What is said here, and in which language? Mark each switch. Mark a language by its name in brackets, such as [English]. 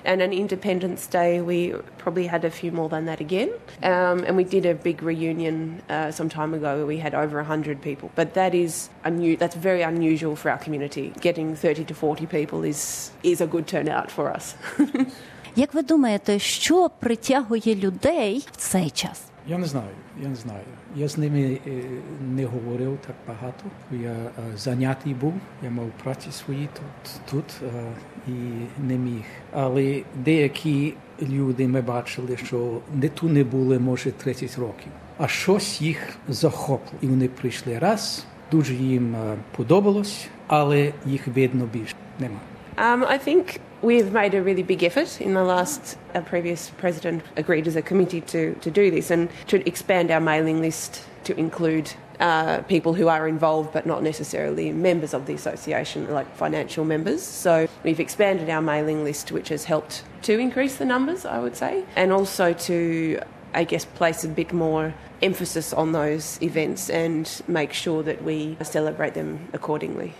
[English] And on Independence Day, we probably had a few more than that again. And we did a big reunion some time ago where we had over 100 people. But that is that's very unusual for our community. Getting 30 to 40 people is a good turnout for us. [Ukrainian] Як ви думаєте, що притягує людей в цей час? Я не знаю. Я з ними не говорив так багато. Я зайнятий був, я мав праці свої тут і не міг. Але деякі люди ми бачили, що не ту не були, може, 30 років. А щось їх захопило, і вони прийшли раз. Дуже їм подобалось, але їх видно більше нема. [English] I think we've made a really big effort in the last, a previous president agreed as a committee to do this and to expand our mailing list to include people who are involved but not necessarily members of the association, like financial members. So we've expanded our mailing list, which has helped to increase the numbers, I would say, and also to, I guess, place a bit more emphasis on those events and make sure that we celebrate them accordingly.